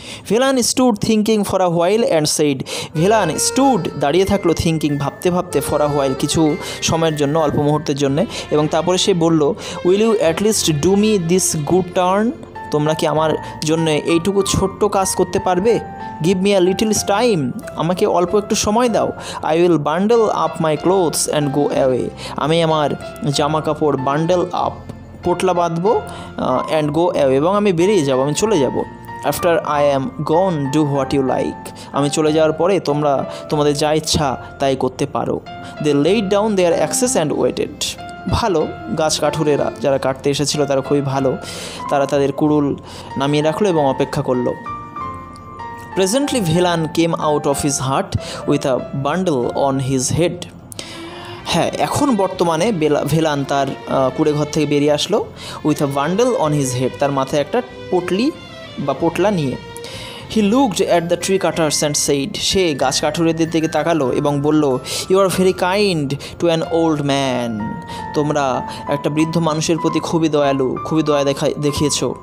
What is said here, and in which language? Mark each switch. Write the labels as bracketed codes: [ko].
[en] Vilan stood thinking for a while and said, [bn] villain stood দাঁড়িয়ে থাকলো thinking ভাবতে ভাবতে, ফর আ হোয়াইল কিছু সময়ের জন্য, অল্প মুহূর্তের জন্যে, এবং তারপরে সে বলল, [en] will you at least do me this good turn, [bn] তোমরা কি আমার জন্য এইটুকু ছোট্ট কাজ করতে পারবে। [en] give me a little time, [bn] আমাকে অল্প একটু সময় দাও। [en] I will bundle up my clothes and go away, [bn] আমি আমার জামা কাপড় বান্ডেল আপ, পোটলা বাঁধবো অ্যান্ড গো অ্যাওয়ে, এবং আমি বেরিয়ে যাবো, আমি চলে যাবো। [en] After I am gone, do what you like. [bn] আমি চলে যাওয়ার পরে তোমরা তোমাদের যা ইচ্ছা তাই করতে পারো। [en] They laid down their axes and waited. [bn] ভালো, গাছ কাঠুরেরা যারা কাটতে এসেছিলো তারা খুবই ভালো, তারা তাদের কুড়ুল নামিয়ে রাখলো এবং অপেক্ষা করলো। [en] Presently, Vilan came out of his hut with a bundle on his head. [bn] হ্যাঁ, এখন বর্তমানে ভিলান তার কুড়ে ঘর থেকে বেরিয়ে আসলো [en] with a bundle on his head, [bn] তার মাথায় একটা পটলি বা পোটলা নিয়ে। [en] he looked at the tree cutters and said, [bn] সে গাছ কাঠুরেদের দিকে তাকালো এবং বলল, [en] you are very kind to an old man, [bn] তোমরা একটা বৃদ্ধ মানুষের প্রতি খুবই দয়ালু, খুবই দয়া দেখিয়েছ।